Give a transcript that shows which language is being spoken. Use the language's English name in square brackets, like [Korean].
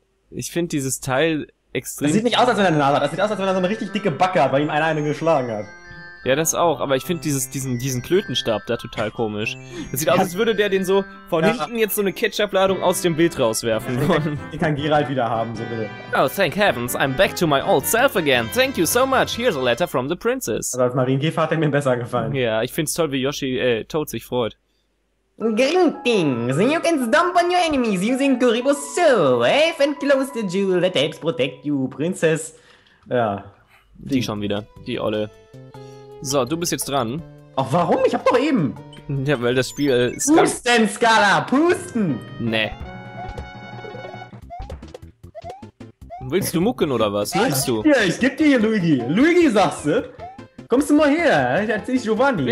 [German] Ich finde dieses Teil extrem. Das sieht nicht aus, als wenn er eine Nase hat. Das sieht aus, als wenn er so eine richtig dicke Backe hat, weil ihm einer eine geschlagen hat. Ja, das auch, aber ich finde diesen Klötenstab da total komisch. Das sieht aus, als würde der den so von hinten jetzt so eine Ketchup-Ladung aus dem Bild rauswerfen wollen. Den kann Geralt wieder haben, so bitte. [English] Oh, thank heavens, I'm back to my old self again. Thank you so much, here's a letter from the princess. [German] Also als Marienkäfer hat er mir besser gefallen. Ja, ich find's toll, wie Yoshi, Toad sich freut. [English] Greetings, you can stomp on your enemies using Kuribo's soul. Have and close the jewel that helps protect you, Princess. [German] Ja. Die schon wieder, die Olle. So, du bist jetzt dran. Ach, warum? Ich hab doch eben. Ja, weil das Spiel. Pusten, Skala, pusten! Nee. Willst du mucken oder was? Willst du? Ja, ich geb dir hier Luigi. Luigi, sagst du? Kommst du mal her? Ich erzähl dich Giovanni.